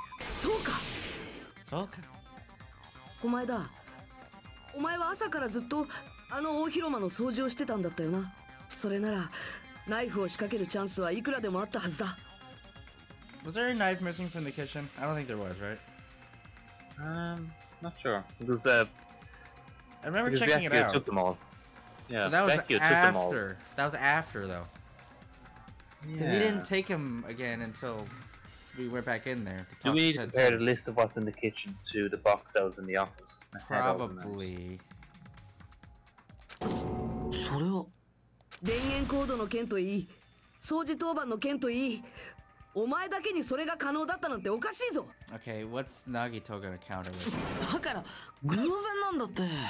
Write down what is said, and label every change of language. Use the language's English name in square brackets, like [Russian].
[Japanese] そうか。そうか。お前だ。お前は朝からずっとあの大広間の掃除をしてたんだったよな。それならナイフを仕掛けるチャンスはいくらでもあったはずだ。 [English] Was there a knife missing from the kitchen? I don't think there was, right? Not sure. It was, I remember checking it out. Took them all. Yeah, that was after. That was after, though. Because he didn't take him again until. We went back in there. Do we need to compare the list of what's in the kitchen to the box that was in the office? Probably. [Japanese] それは電源コードの件といい、掃除当番の件といい、お前だけにそれが可能だったなんておかしいぞ。 [English] Okay, what's Nagito gonna counter with? [Japanese] だから偶然なんだって。